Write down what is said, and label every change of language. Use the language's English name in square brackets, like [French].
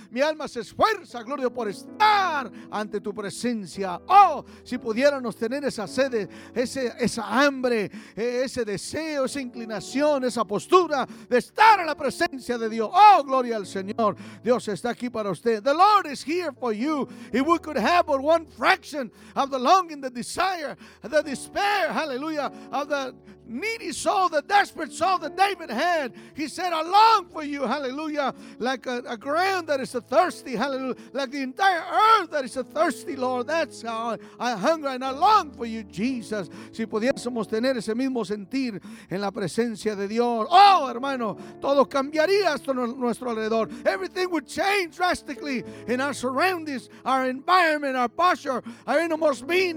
[Spanish] Mi alma se esfuerza, gloria, por estar ante tu presencia. Oh, si pudiéramos tener esa sed, esa hambre, ese deseo, esa inclinación, esa postura de estar en la presencia de Dios. Oh, gloria al Señor. Dios está aquí para usted. [English] The Lord is here for you. If we could have but one fraction of the longing, the desire, the despair, hallelujah, of the needy soul, the desperate soul that David had. He said, I long for you, hallelujah, like a ground that is a thirsty, hallelujah, like the entire earth that is a thirsty, Lord. That's how I hunger and I long for you, Jesus. [Spanish] Si pudiésemos tener ese mismo sentir en la presencia de Dios, oh, hermano, todo cambiaría a nuestro alrededor. [English] Everything would change drastically in our surroundings, our environment, our posture, our innermost being.